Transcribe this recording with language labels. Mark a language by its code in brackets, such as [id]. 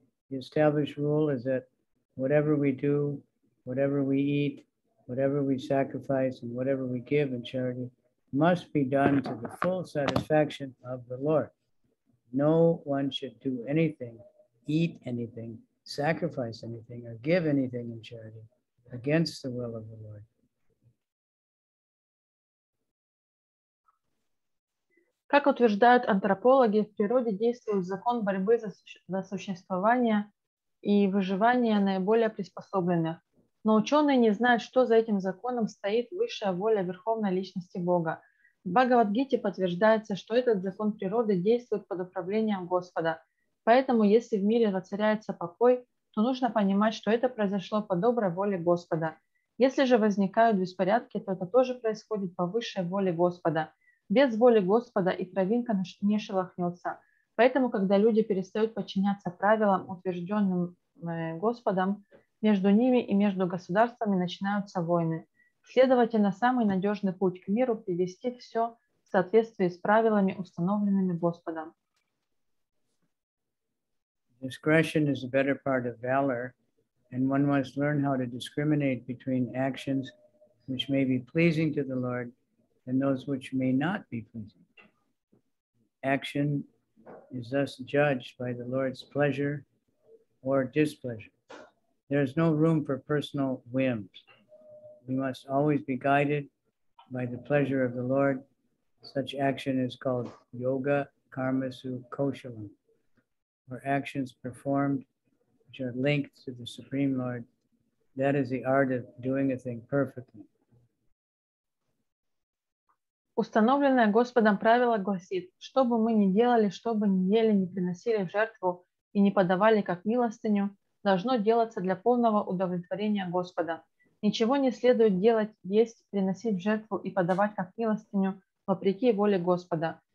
[en] The established rule is that whatever we do, whatever we eat, whatever we sacrifice, and whatever we give in charity must be done to the full satisfaction of the Lord. No one should do anything, eat anything, sacrifice anything or give anything in charity against the will of the Lord. [ru] Как утверждают антропологи, в природе действует закон борьбы за существование и выживание наиболее приспособленных. Но ученые не знают, что за этим законом стоит высшая воля Верховной Личности Бога. В Бхагавад-гите подтверждается, что этот закон природы действует под управлением Господа. Поэтому, если в мире воцаряется покой, то нужно понимать, что это произошло по доброй воле Господа. Если же возникают беспорядки, то это тоже происходит по высшей воле Господа. Без воли Господа и травинка не шелохнется. Поэтому, когда люди перестают подчиняться правилам, утвержденным Господом, между ними и между государствами начинаются войны. Следовательно, самый надежный путь к миру – привести все в соответствии с правилами, установленными Господом. [en] Discretion is the better part of valor, and one must learn how to discriminate between actions which may be pleasing to the Lord and those which may not be pleasing. Action is thus judged by the Lord's pleasure or displeasure. There is no room for personal whims. We must always be guided by the pleasure of the Lord. Such action is called yoga, karmasu, koshalam, or actions performed which are linked to the Supreme Lord. That is the art of doing a thing perfectly. [ru] Установленное Господом правило гласит, что бы мы ни делали, что бы ни ели, ни приносили в жертву и не подавали как милостыню, должно делаться для полного удовлетворения Господа. Ничего не следует делать, есть, приносить в жертву и подавать как милостыню вопреки воле Господа.